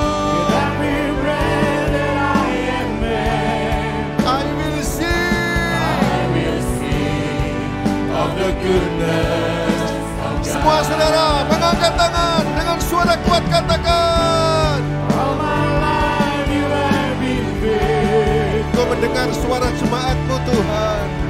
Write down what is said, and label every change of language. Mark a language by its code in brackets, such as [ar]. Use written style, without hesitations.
[en] You have been bread that I am man. I will sing. I will sing of the goodness. [id] Semua saudara, mengangkat tangan dengan suara kuat katakan. [en] All my life you have been faithful. [id] Kau mendengar suara jemaatmu Tuhan.